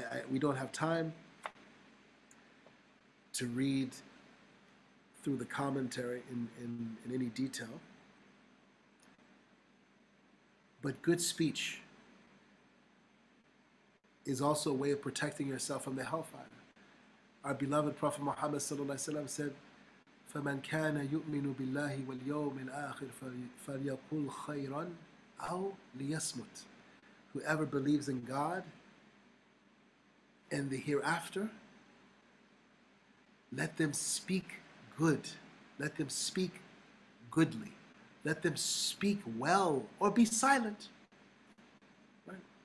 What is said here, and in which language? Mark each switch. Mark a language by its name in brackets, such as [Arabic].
[English] We don't have time to read through the commentary in any detail. But good speech is also a way of protecting yourself from the hellfire. Our beloved Prophet Muhammad sallallahu alaihi wasallam said, [Arabic] فَمَنْ كَانَ يُؤْمِنُ بِاللَّهِ وَالْيَوْمِ الْآخِرِ فَلْيَقُلْ خَيْرًا أَوْ لِيَسْمُتْ. [English] Whoever believes in God and the hereafter, let them speak good. Let them speak goodly. Let them speak well or be silent. Right?